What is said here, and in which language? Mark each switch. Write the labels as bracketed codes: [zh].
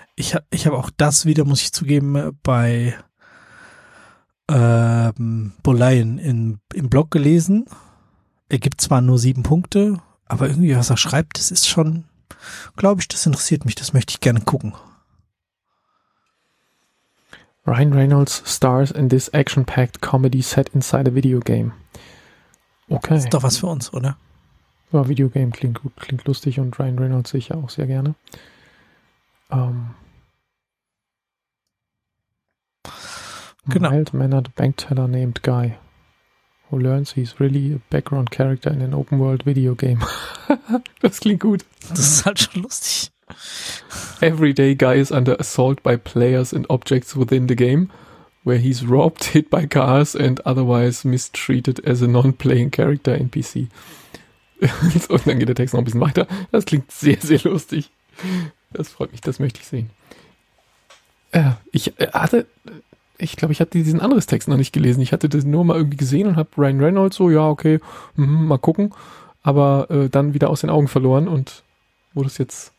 [de] Ich hab auch das wieder, muss ich zugeben, bei Bullion im Blog gelesen. Er gibt zwar nur 7 Punkte, aber irgendwie, was er schreibt, das ist schon, glaube ich, das interessiert mich, das möchte ich gerne gucken. [en] Ryan Reynolds stars in this action-packed comedy set inside a video game. [de] Okay. Das ist doch was für uns, oder? Ja, Videogame klingt gut, klingt lustig, und Ryan Reynolds sehe ich ja auch sehr gerne. Genau. [en] Mild-mannered bank teller named Guy, who learns he's really a background character in an open-world video game. [de] Das klingt gut. Das ist halt schon lustig. [en] Everyday Guy is under assault by players and objects within the game, where he's robbed, hit by cars and otherwise mistreated as a non-playing character NPC. [de] Und dann geht der Text noch ein bisschen weiter. Das klingt sehr, sehr lustig. Das freut mich, das möchte ich sehen. Ich glaube, ich hatte diesen anderen Text noch nicht gelesen. Ich hatte das nur mal irgendwie gesehen und habe Ryan Reynolds so, ja, okay, mal gucken. Aber dann wieder aus den Augen verloren, und wurde es jetzt...